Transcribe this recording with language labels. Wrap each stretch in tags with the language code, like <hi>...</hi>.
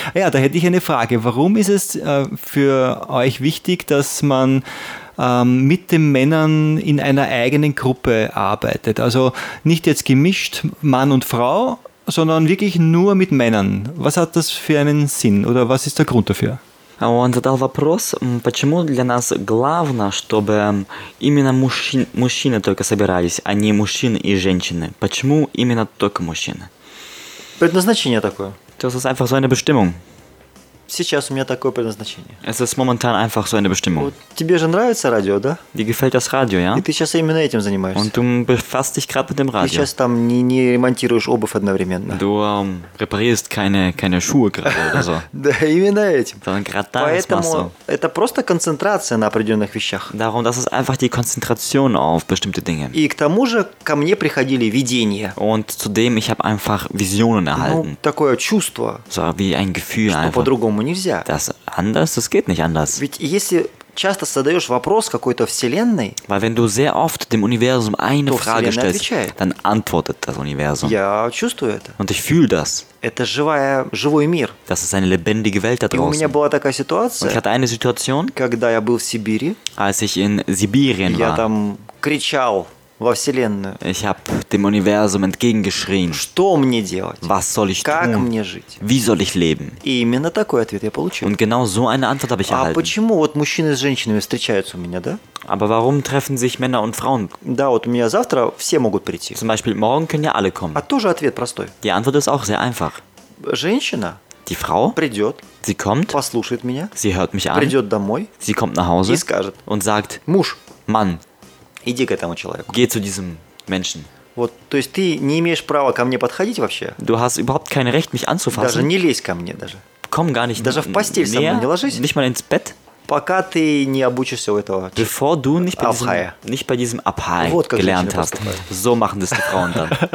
<de>Ja, da hätte ich eine Frage. Warum ist es für euch wichtig, dass man mit den Männern in einer eigenen Gruppe arbeitet? Also nicht jetzt gemischt Mann und Frau, sondern wirklich nur mit Männern. Was hat das für einen Sinn oder was ist der Grund dafür?</de> <ru>Он задал вопрос, почему для нас главное, чтобы именно мужчины только собирались, а не мужчины и женщины. Почему именно только мужчины? Предназначение такое.</ru> <de>Das ist einfach so eine Bestimmung.</de> <ru>Сейчас у меня такое предназначение.</ru> <de>Es ist momentan einfach so eine Bestimmung.</de> <ru>Тебе же нравится радио, да?</ru> <de>Dir gefällt das Radio, ja?</de> <ru>И ты сейчас именно этим занимаешься.</ru> <de>Und du befasst dich gerade mit dem Radio.</de> <ru>Ты сейчас там не ремонтируешь обувь одновременно.</ru> <de>Du reparierst keine Schuhe gerade oder so.</de> <ru>Да, именно этим.</ru> <de>Sondern gerade das machst du.</de> <ru>Поэтому это просто концентрация на определенных вещах.</ru> <de>Darum, das ist einfach die Konzentration auf bestimmte Dinge.</de> <ru>И к тому же ко мне приходили видения.</ru> <de>Und zudem, ich habe einfach Visionen erhalten.</de> <ru>Ну, такое чувство.</ru> <de>So, wie ein Gefühl einfach.</de> <ru>Что по-другому нельзя.</ru> <de>Das anders, das geht nicht anders.</de> <ru>Ведь если часто задаешь вопрос какой-то вселенной,</ru> <de>weil wenn du sehr oft dem Universum eine Frage stellst,</de> <ru>отвечает.</ru> <de>Dann antwortet das Universum.</de> <ru>Я чувствую это.</ru> <de>Und ich fühle das.</de> <ru>Это живой мир.</ru> <de>Das ist eine lebendige Welt da draußen.</de> <ru>И у меня была такая ситуация.</ru> <de>Und ich hatte eine Situation,</de> <ru>когда я был в Сибири,</ru> <de>als ich in Sibirien</de> <ru>я Я там кричал во вселенную.</ru> <de>Ich habe dem Universum entgegengeschrien.</de> <ru>Что мне делать?</ru> <de>Was soll ich</de> <ru>как</ru> <de>tun?</de> <ru>Как мне жить?</ru> <de>Wie soll ich leben?</de> <ru>И именно такой ответ я получил.</ru> <de>Und genau so eine Antwort habe ich erhalten.</de> <ru>А почему вот мужчины с женщинами встречаются у меня, да?</ru> <de>Aber warum treffen sich Männer und Frauen?</de> <ru>Да, вот у меня завтра все могут прийти.</ru> <de>Zum Beispiel morgen können ja alle kommen.</de> <ru>А тоже ответ простой.</ru> <de>Die Antwort ist auch sehr einfach.</de> <ru>Женщина.</ru> <de>Die Frau.</de> <ru>Придет.</ru> <de>Sie kommt.</de> <ru>Послушает меня.</ru> <de>Sie hört mich an.</de> <ru>Придет домой.</ru> <de>Sie kommt nach Hause.</de> <ru>И скажет.</ru> <de>Und sagt.</de> <ru>Муж.</ru> <de>Mann.</de> <ru>Иди к этому человеку.</ru> <de>Geh zu diesem Menschen.</de> <ru>Вот, то есть ты не имеешь права ко мне подходить вообще.</ru> <de>Du hast überhaupt kein Recht, mich anzufassen.</de> <ru>Даже не лезь ко мне даже.</ru> <de>Komm gar nicht.</de> <ru>Даже в постель со мной не ложись.</ru> <de>Nicht mal ins Bett.</de> <ru>Пока ты не обучишься у этого.</ru> <de>Bevor du nicht bei diesem Abhay</de> <ru>вот,</ru> <de>gelernt hast. So machen das die Frauen dann.</de>